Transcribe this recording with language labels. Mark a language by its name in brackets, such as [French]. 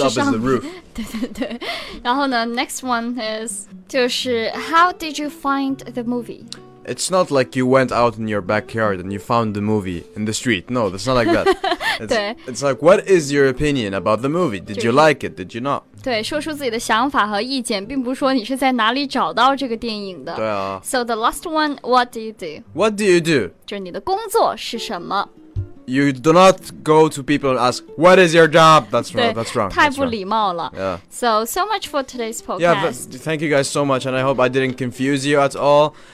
[English] up is the roof. [Chinese] 对对对。然后呢 [English] next one is [Chinese] 就是 [English] how did you find the movie? It's not like you went out in your backyard and you found the movie in the street. No, that's not like that. It's like, what is your opinion about the movie? Did you like it? Did you not? [Chinese] 对，说出自己的想法和意见，并不是说你是在哪里找到这个电影的。对啊。 [English] So the last one, what do you do? What do you do? [Chinese] 就是你的工作是什么。 [English] You do not go to people and ask, what is your job? That's wrong, that's wrong. [Chinese] 太不礼貌了。 [English] Yeah. So much for today's podcast. Yeah, but thank you guys so much, and I hope I didn't confuse you at all.